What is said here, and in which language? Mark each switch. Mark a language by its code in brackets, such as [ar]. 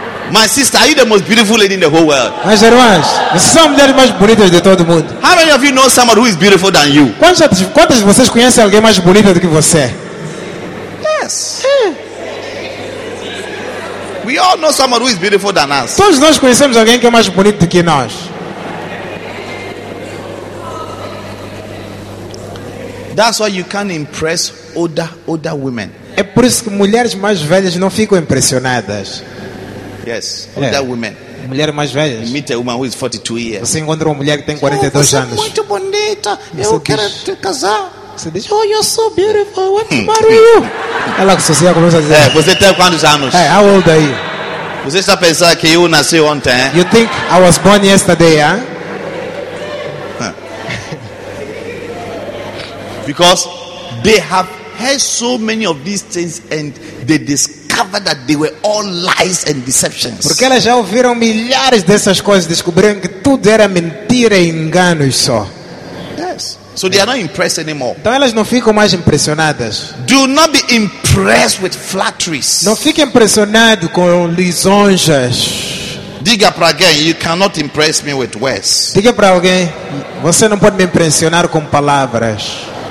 [en] My sister, are you the most beautiful lady in the whole world? [pt] Mas irmãs, você é a mulher mais bonita de todo mundo. [en] How many of you know someone who is beautiful than you? [pt] Quantas de vocês conhecem alguém mais bonita do que você? [en] Yes. We all know someone who is beautiful than us. [pt] Todos nós conhecemos alguém que é mais bonito do que nós. [en] That's why you can't impress older women. [pt] É por isso que mulheres mais velhas não ficam impressionadas. [en] Yes, older women. [pt] Mulher mais velha. [en] You meet a woman who is 42 years. [pt] Você encontra uma mulher que tem 42 você anos. Você é muito bonita. Eu quero te casar. Você diz, [en] oh, you're so beautiful. I want to marry you. [pt] Ela associa, começa a dizer. Você tem quantos anos? [en] Hey, how old are you? [pt] Você está pensando que eu nasci ontem? [en] You think I was born yesterday, huh? Because they have heard so many of these things and they discover that they were all lies and deceptions. [pt] Porque elas já ouviram milhares dessas coisas, descobriram que tudo era mentira e enganos só. [en] Yes. So they are not impressed anymore. [pt] Então elas não ficam mais impressionadas. [en] Do not be impressed with flatteries. [pt] Não fique impressionado com lisonjas. Diga para alguém, [en] you cannot impress me with words. [pt] Diga para alguém, você não pode me impressionar com palavras.